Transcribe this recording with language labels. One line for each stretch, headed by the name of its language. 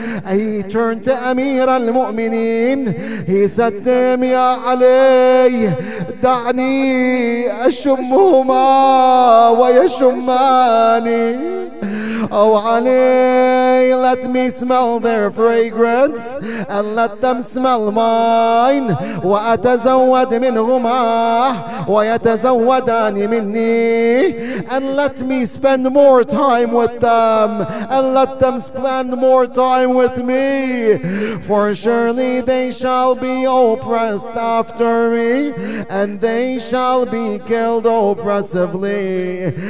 English: He turned to Amir al-Mu'mineen. He said to him,
Arabic: Ya Ali, da'ni ashumhuma wa yashumani.
English: Oh Ali, let me smell their fragrance and let them smell mine.
Arabic: وأتزود منهما ويتزودان مني.
English: And let me spend more time with them and let them spend more time with me. For surely they shall be oppressed after me and they shall be killed oppressively.